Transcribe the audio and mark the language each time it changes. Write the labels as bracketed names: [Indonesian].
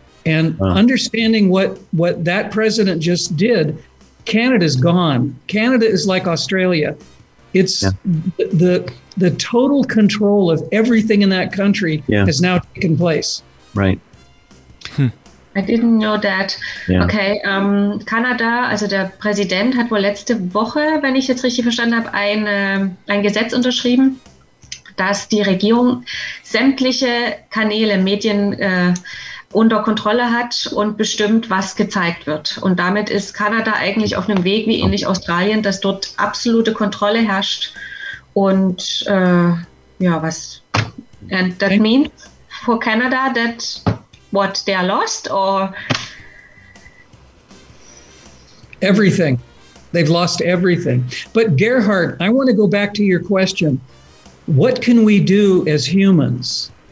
[English] And understanding what that president just did, Canada's gone. Canada is like Australia. It's the total control of everything in that country has now taken place. Right. I didn't know that. Yeah. [German] Okay, Kanada, also der Präsident hat wohl letzte Woche, wenn ich jetzt richtig verstanden habe, ein Gesetz unterschrieben, dass die Regierung sämtliche Kanäle, Medien unter Kontrolle hat und bestimmt, was gezeigt wird. Und damit ist Kanada eigentlich auf einem Weg wie ähnlich Australien, dass dort absolute Kontrolle herrscht. Und was? [English] And that means for Canada that... What they are lost or everything. They've lost everything. But Gerhard, I want to go back to your question. What can we do as humans?